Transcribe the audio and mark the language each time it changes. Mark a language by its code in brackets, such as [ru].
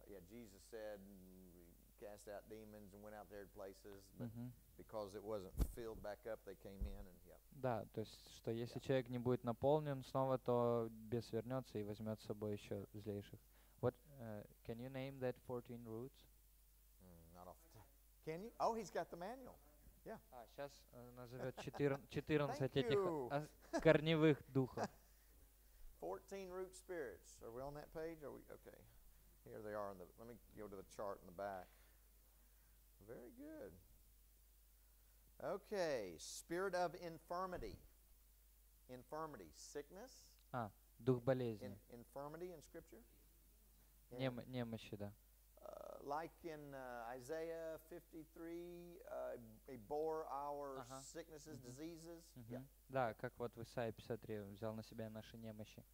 [en] Jesus said we cast out demons and went out there to places, but because it wasn't filled back up, they came in and yep. [ru] Да, то есть, что если человек не будет наполнен снова, то бес вернется и возьмет с собой еще злейших. [en] What can you name that 14 roots? Not off the top. Can you? Oh, he's got the manual. Yeah. [ru] А сейчас назовет 14 этих корневых духов. [en] 14 root spirits. Are we on that page? Are we okay? Here they are. Let me go to the chart in the back. Very good. Okay, spirit of infirmity. Infirmity, sickness. [ru] А, дух болезни. [en] Infirmity in scripture? [ru] Немощи, да. [en] Like in Isaiah 53, he bore our sicknesses, diseases. [ru] Да, как вот в Исаии 53 взял на себя наши немощи.